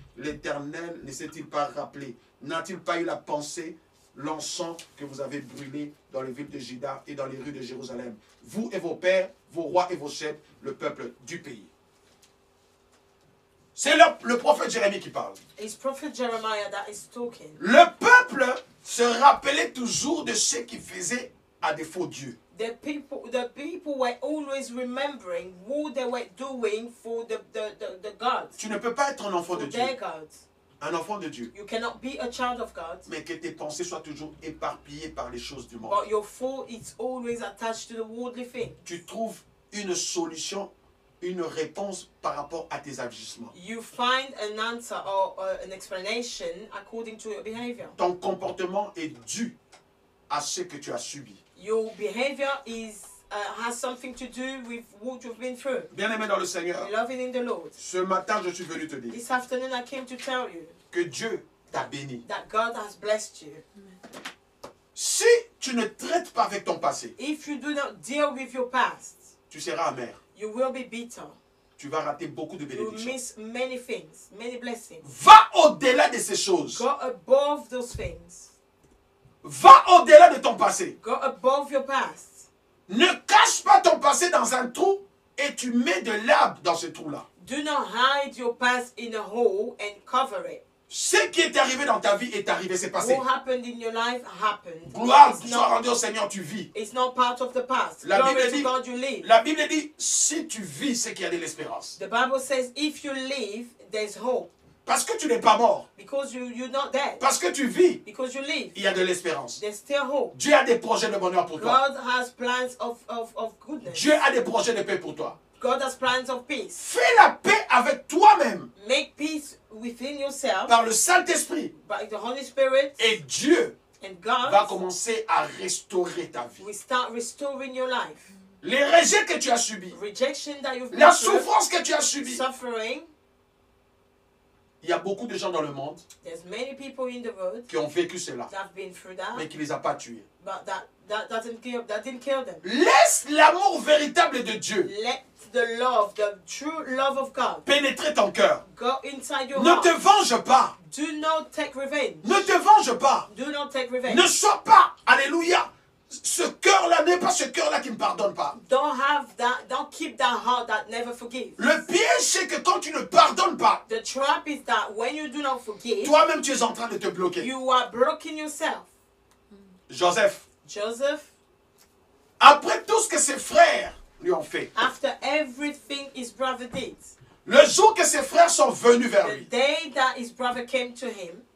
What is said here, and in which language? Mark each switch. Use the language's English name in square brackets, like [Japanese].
[French] L'Éternel ne s'est-il pas rappelé? N'a-t-il pas eu la pensée, l'encens que vous avez brûlé dans les villes de Juda et dans les rues de Jérusalem? Vous et vos pères, vos rois et vos chefs, le peuple du pays. C'est le prophète Jérémie qui parle. [English] It's prophet Jeremiah that is talking. [French] Le peuple se rappelait toujours de ce qu'il faisait à défaut Dieu. [English] The people were always remembering what they were doing for the gods. [French] Tu ne peux pas être un enfant de [English] their [French] Dieu. [English] Gods. [French] Un enfant de Dieu. [English] You cannot be a child of God. [French] Mais que tes pensées soient toujours éparpillées par les choses du monde. [English] But your thought is always attached to the worldly thing. [French] Tu trouves une solution, une réponse par rapport à tes agissements. [English] You find an answer or an explanation according to your behavior. [French] Ton comportement est dû à ce que tu as subi. [English] Your behavior is has something to do with what you've been through. [French] Bien-aimé dans le Seigneur. [English] Loving in the Lord. [French] Ce matin, je suis venu te dire. [English] This afternoon, I came to tell you. [French] Que Dieu t'a béni. [English] That God has blessed you. [French] Si tu ne traites pas avec ton passé. [English] If you do not deal with your past. [French] Tu seras amer. [English] You will be bitter. [French] Tu vas rater beaucoup de bénédictions. [English] You miss many things, many blessings. [French] Va au-delà de ces choses. [English] Go above those things. [French] Va au-delà de ton passé. [English] Go above your past. [French] Ne cache pas ton passé dans un trou et tu mets de l'herbe dans ce trou-là. [English] Do not hide your past in a hole and cover it. [French] Ce qui est arrivé dans ta vie est arrivé, c'est passé. [English] What happened in your life happened. [French] Gloire soit rendue au Seigneur, tu vis. [English] It's not part of the past. [French] La [English] Glory [French] Bible dit, [English] to God, you live. [French] La Bible dit, si tu vis, c'est qu'il y a de l'espérance. [English] The Bible says, if you live, there's hope. [French] Parce que tu n'es pas mort. [English] Because you're not dead. [French] Parce que tu vis. [English] Because you live. [French] Il y a de l'espérance. [English] There's still hope. [French] Dieu a des projets de bonheur pour toi. [English] God has plans of goodness. [French] Dieu a des projets de paix pour toi. [English] God has plans of peace. [French] Fais la paix avec toi-même. [English] Make peace within yourself. [French] Par le Saint-Esprit. [English] By the Holy Spirit. [French] Et Dieu [English] and God [French] va commencer à restaurer ta vie. [English] We start restoring your life. [French] Les rejets que tu as subis. [English] Rejection that you've [French] la souffrance que tu as subie. [English] Suffering. [French] Il y a beaucoup de gens dans le monde [English] many in the world [French] qui ont vécu cela, [English] been that, [French] mais qui ne les a pas tués. [English] That didn't kill them. [French] Laisse l'amour véritable de Dieu [English] Let the love, the true love of God [French] pénétrer ton cœur. Ne heart. Te venge pas. [English] Do not take revenge. [French] Ne te venge pas. [English] Do not take revenge. [French] Ne sois pas, alléluia, ce cœur-là n'est pas ce cœur-là qui ne pardonne pas. [English] Don't have that, don't keep that heart that never forgives. [French] Le piège, c'est que quand tu ne pardonnes pas, [English] the trap is that when you do not forgive, [French] toi-même, tu es en train de te bloquer. [English] You are broken yourself. [French] Joseph, après tout ce que ses frères lui ont fait, [English] after everything his brother did, [French] le jour que ses frères sont venus vers lui, [English] the day that his brother came to him,